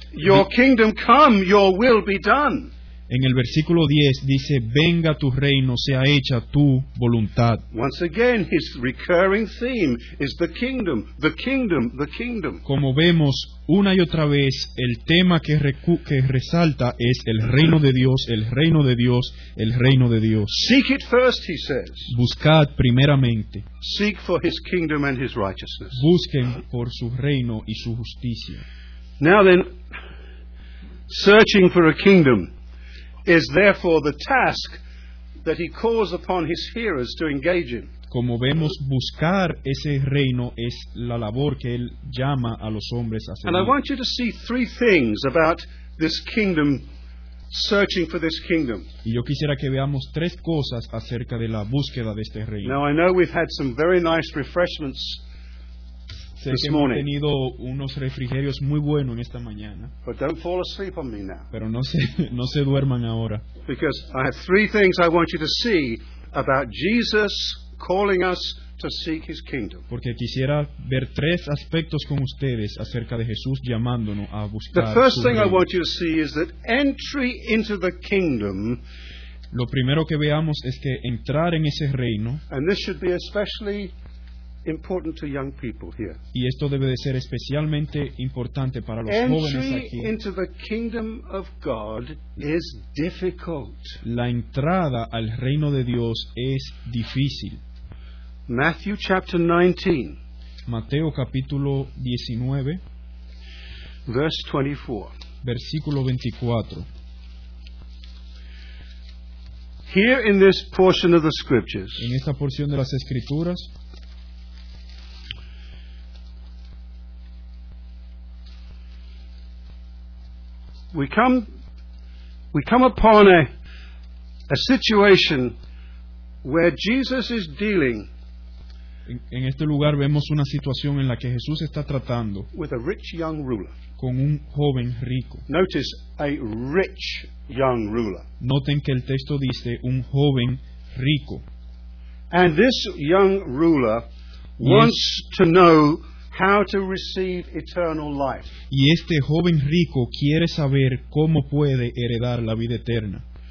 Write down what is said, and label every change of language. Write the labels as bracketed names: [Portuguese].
[English] Your kingdom come, your will be done. [Spanish] En el versículo 10 dice, venga tu reino, sea hecha tu voluntad. [English] Once again, his recurring theme is the kingdom, the kingdom, the kingdom. [Spanish] Como vemos una y otra vez, el tema que resalta es el reino de Dios, el reino de Dios, el reino de Dios. [English] Seek it first, he says. [Spanish] Buscad primeramente. [English] Seek for his kingdom and his righteousness. [Spanish] Busquen por su reino y su justicia. [English] Now then, searching for a kingdom is therefore the task that he calls upon his hearers to engage in. [Spanish] Como vemos, buscar ese reino es la labor que él llama a los hombres a hacer. [English] And I want you to see three things about this kingdom, searching for this kingdom. [Spanish] Y yo quisiera que veamos tres cosas acerca de la búsqueda de este reino. [English] Now I know we've had some very nice refreshments. [Spanish] Sé que hemos tenido unos refrigerios muy buenos en esta mañana. [English] But don't fall asleep on me now. [Spanish] Pero no se duerman ahora. [English] Because I have three things I want you to see about Jesus calling us to seek his kingdom. [Spanish] Porque quisiera ver tres aspectos con ustedes acerca de Jesús llamándonos a buscar. [English] The first thing I want you to see is that entry into the kingdom. [Spanish] Lo primero que veamos es que entrar en ese reino. [English] And this should be especially important to young people here. [Spanish] Y esto debe de ser especialmente importante para los [English] entry [Spanish] jóvenes aquí. [English] Entry into the kingdom of God is difficult. [Spanish] La entrada al reino de Dios es difícil. [English] Matthew chapter 19. [Spanish] Mateo capítulo 19. [English] Verse 24. [Spanish] Versículo 24. [English] Here in this portion of the scriptures. [Spanish] En esta porción de las escrituras. [English] We come upon a situation where Jesus is dealing. [Spanish] En este lugar vemos una situación en la que Jesús está tratando [English] with a rich young ruler. [Spanish] Con un joven rico. [English] Notice a rich young ruler. [Spanish] Noten que el texto dice un joven rico. [English] And this young ruler wants to know how to receive eternal life. [Spanish] Y este joven rico quiere saber cómo puede heredar la vida eterna.